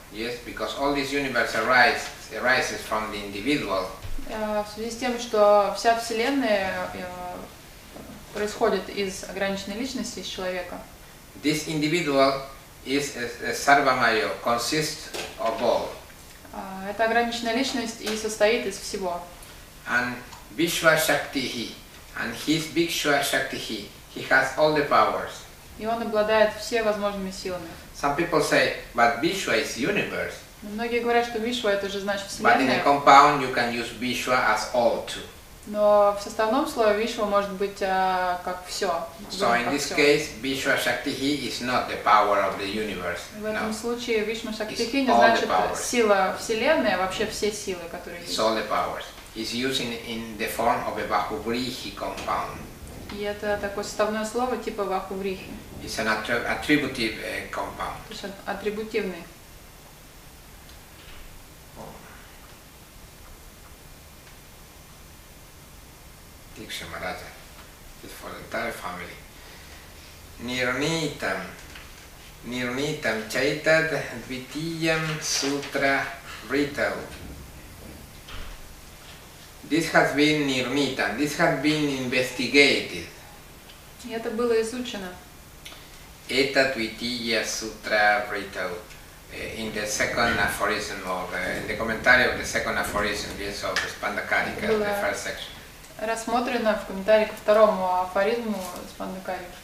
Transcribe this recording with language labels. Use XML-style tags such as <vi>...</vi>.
<en>Yes, because all this universe arises from the individual.</en> <ru>В связи с тем, что вся вселенная происходит из ограниченной личности, из человека.</ru> <en>This individual is a sarvamaya, consists of all.</en> <ru>Это ограниченная личность и состоит из всего.</ru> <en>And Vishva Shaktihi, and his Vishva Shaktihi, he has all the powers.</en> <ru>И он обладает все возможными силами.</ru> <en>Some people say, but Vishva is universe.</en> <ru>Многие говорят, что Вишва это же значит вселенная.</ru> <en>But in a compound you can use Vishva as all too.</en> <ru>Но в составном слове Вишва может быть как все.</ru> <en>So in this case, Vishva Shaktihi is not the power of the universe.</en> <ru>В этом случае Вишва Шактихи не значит сила вселенной, а вообще все силы, которые есть.</ru> <en>It's all the powers. It's used in the form of a Bahuvrihi compound.</en> <ru>И это такое составное слово типа Бахуврихи.</ru> <en>It's an attributive compound.</en> <ru>То есть атрибутивный.</ru> <en>Diksha Maharaja, it's for the entire family.</en> <sa>Nirnitam, Nirnitam Chaitad Dvitiyam Sutra Ritav.</sa> <en>This has been Nirnitam, this has been investigated.</en> <ru>Это было изучено.</ru> <sa>Eta Dvitiya Sutra Ritav,</sa> <en>in the second aphorism of, in the commentary of the second aphorism, yes, of Spandakarika, the first section.</en> <ru>Рассмотрено в комментарии ко второму афоризму Спанды Кари.</ru>